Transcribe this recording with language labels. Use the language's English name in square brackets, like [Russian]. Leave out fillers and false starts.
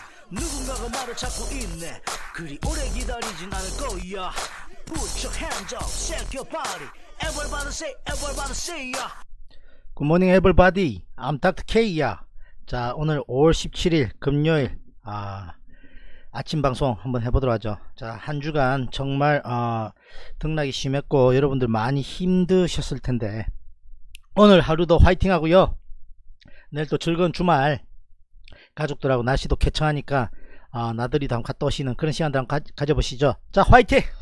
[Korean] 누군가가 나를 찾고 있네. 그리 오래 기다리진 않을 거야. [English] Put your hands up, shake your body. Everybody say, everybody say ya. Good morning, everybody. I'm Dr. K야. [Korean] 자, 오늘 5월 17일 금요일 아침 방송 한번 해보도록 하죠. 자, 한 주간 정말 등락이 심했고 여러분들 많이 힘드셨을 텐데 오늘 하루도 화이팅 하고요. 내일 또 즐거운 주말 가족들하고 날씨도 쾌청하니까 나들이 다 갔다 오시는 그런 시간들 한번 가져보시죠. 자, 화이팅!